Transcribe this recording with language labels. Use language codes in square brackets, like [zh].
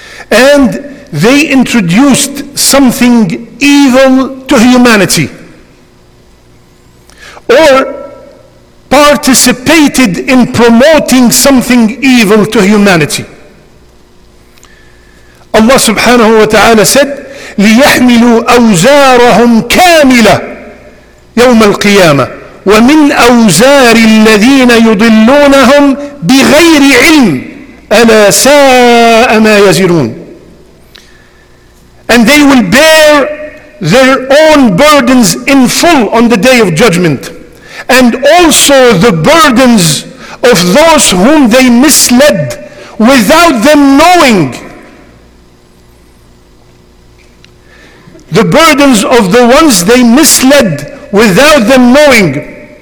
[en] And they introduced something evil to humanity, or participated in promoting something evil to humanity. Allah subhanahu wa ta'ala said, [ar] لِيَحْمِلُوا أَوْزَارَهُمْ كَامِلَةً يَوْمَ الْقِيَامَةِ وَمِنْ أَوْزَارِ الَّذِينَ يُضِلُّونَهُمْ بِغَيْرِ عِلْمٍ أَلَا سَاءَ مَا يَزِرُونَ. [en] And they will bear their own burdens in full on the day of judgment, and also the burdens of those whom they misled without them knowing, the burdens of the ones they misled without them knowing.